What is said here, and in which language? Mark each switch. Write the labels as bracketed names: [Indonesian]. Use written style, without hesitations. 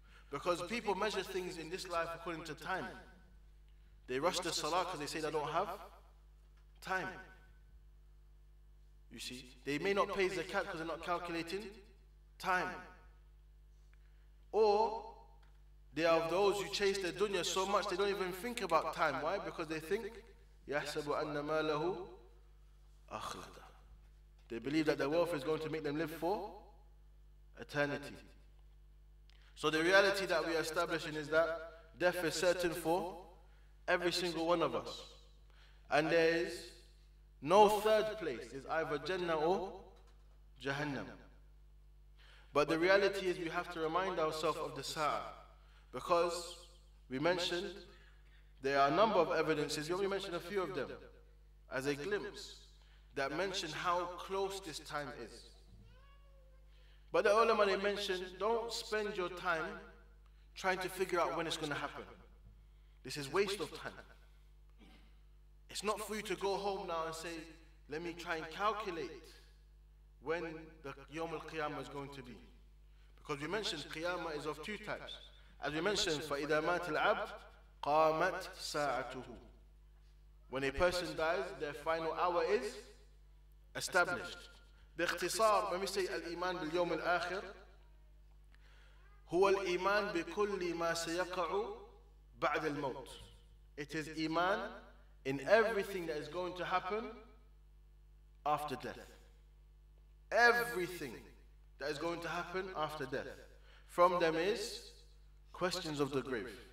[English] Because people measure things in this life according to time. They rush the salah because they say they don't have time. You see, they may not pay zakat because they're not calculating time. Or they are of those who chase their dunya so much they don't even think about time. Why? Because they think, [Arabic] يَحْسَبُ أَنَّ مَالَهُ أَخْلَدَ. [English] They believe that their wealth is going to make them live for eternity. So the reality that we are establishing is that death is certain for every single one of us. And there is no third place. It's either Jannah or Jahannam. But the reality is we have to remind ourselves of the Sa'ah. Because we mentioned there are a number of evidences. We only mentioned a few of them as a glimpse that mention how close this time is. But the ulama, they mentioned, don't spend your time trying to figure out when it's going to happen. This is waste of time. It's not for you to go home now and say, let me try and calculate when the Yawm al-Qiyamah is going to be. Because we mentioned Qiyamah is of two types. As we mentioned, [Arabic] فَإِذَا مَاتِ الْعَبْدِ قَامَتْ سَاعَتُهُ. [English] When a person dies, their final hour is established. [Arabic] باختصار, [English] when we say [Arabic] الإيمان باليوم الآخر, هو الإيمان بكل ما سيقع بعد الموت. [English] It is إيمان in everything that is going to happen after death. Everything that is going to happen after death. From them is questions of the grave.